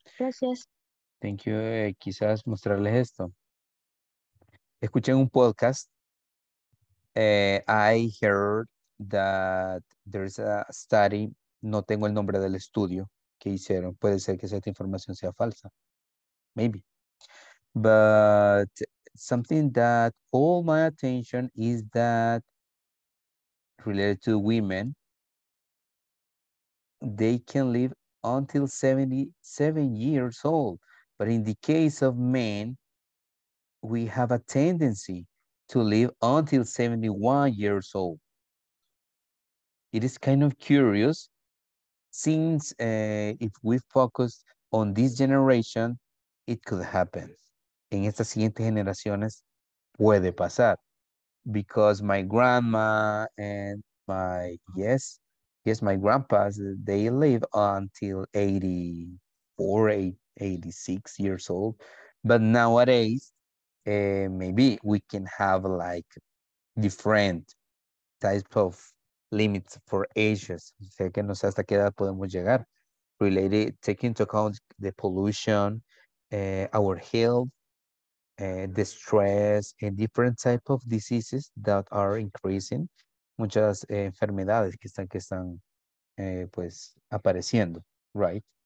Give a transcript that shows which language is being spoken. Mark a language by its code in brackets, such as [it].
[es] Gracias. [en] Thank you. [es] Quizás mostrarles esto. Escuché en un podcast. [en] I heard that there is a study. [es] No tengo el nombre del estudio que hicieron. Puede ser que esta información sea falsa. [en] Maybe. But something that all my attention is that related to women, they can live until 77 years old. But in the case of men, we have a tendency to live until 71 years old. It is kind of curious, since if we focus on this generation, it could happen. [es] En estas siguientes generaciones puede pasar. [en] Because my grandma and my, yes, my grandpas, they live until 84, 86 years old. But nowadays, maybe we can have like different type of limits for ages. [es] O sea, que no sé hasta qué edad podemos llegar. [en] Related, taking into account the pollution, our health, the stress, and different type of diseases that are increasing. [es] Muchas enfermedades que están pues apareciendo, right?